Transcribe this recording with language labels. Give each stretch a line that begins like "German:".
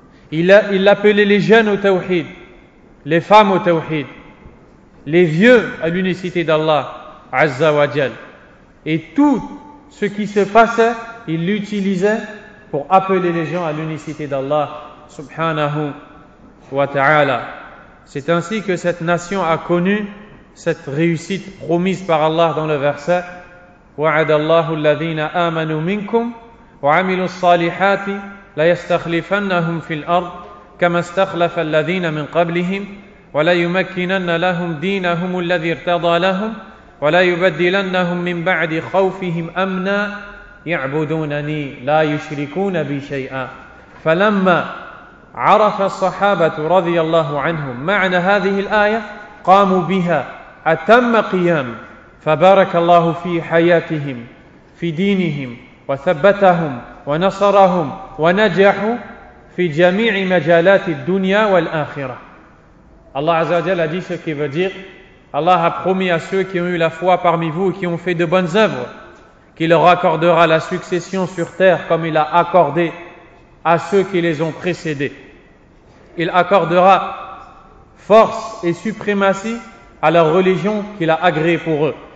French: Il appelait les jeunes au tawhid, les femmes au tawhid, les vieux à l'unicité d'Allah, Azza wa Jal. Et tout ce qui se passait, il l'utilisait pour appeler les gens à l'unicité d'Allah, subhanahu wa ta'ala. C'est ainsi que cette nation a connu cette réussite promise par Allah dans le verset
Arabic: « وَعَدَ اللَّهُ الَّذِينَ آمَنُوا مِنْكُمْ وَعَمِلُوا الصَّالِحَاتِ لَيَسْتَخْلِفَنَّهُمْ فِي الْأَرْضِ كَمَا اسْتَخْلَفَ الَّذِينَ مِنْ قَبْلِهِمْ وَلَيُمَكِّنَنَّ لَهُمْ دِينَهُمُ الَّذِي ارْتَضَى لَهُمْ وَلَيُبَدِّلَنَّهُمْ مِنْ بَعْدِ خَوْفِهِمْ أَمْنًا يَعْبُدُونَنِي لَا يُشْرِكُونَ بِي شَيْئًا فَلَمَّا عرف الصحابة رضي الله عنهم معنى هذه الآية قاموا بها أتم قيام فبارك الله في حياتهم في دينهم وثبتهم ونصرهم ونجحوا في جميع مجالات الدنيا والآخرة. الله عز وجل
French: a dit ce qui veut dire Allah a promis à ceux qui ont eu la foi parmi vous et qui ont fait de bonnes œuvres qu'il leur accordera la succession sur terre comme il a accordé à ceux qui les ont précédés. Il accordera force et suprématie à leur religion qu'il a agréée pour eux.